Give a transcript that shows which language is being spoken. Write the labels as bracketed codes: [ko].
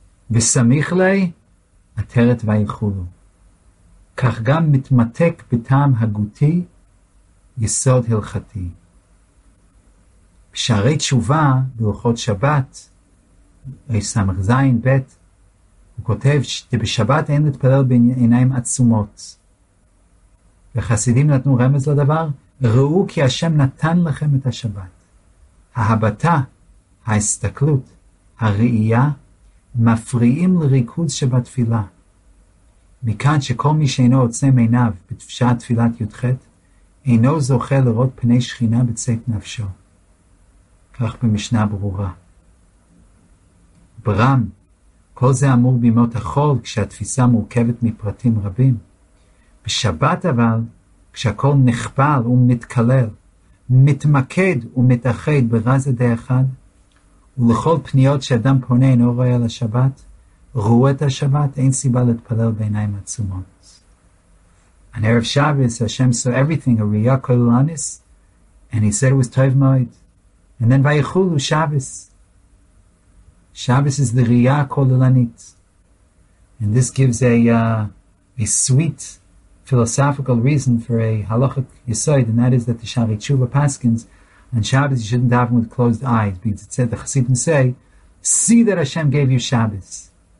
[he] V'samich lei, ateret v'ayichulu. Kach gam mitmatek b'tam haguti, yisod hilchati. B'sharei tshuva, b'luchot Shabbat, v'yisamach zayin bet, הוא כותב שבשבת אין להתפלל בעיניים עצומות. וחסידים נתנו רמז לדבר, ראו כי השם נתן לכם את השבת. ההבטה, ההסתכלות, הראייה, מפריעים לריכוז שבתפילה. מכאן שכל מי שאינו עוצם עיניו בשעת תפילת י"ח, אינו זוכה לראות פני שכינה בצאת נפשו. כך במשנה ברורה. ברם, כל זה אמור בימות החול, כשהתפיסה מורכבת מפרטים רבים. בשבת אבל, כשהכל נכפל ומתקלל, מתמקד ומתאחד ברזה די אחד, ולכל פניות שאדם פונה אינו רואה על השבת, רואה את השבת, אין סיבה להתפלל בעיניים עצומות. [en] On Erev Shabbos, Hashem saw everything, a ria kololanis, and he said it was toiv moed. And then vayichulu, Shabbos. Shabbos is the ria kololanit. And this gives a sweet philosophical reason for a halachic yesod, and that is that the Shari Tshuva paskins on Shabbos you shouldn't daven with closed eyes, because it said the Chassidim say, see that Hashem gave you Shabbos.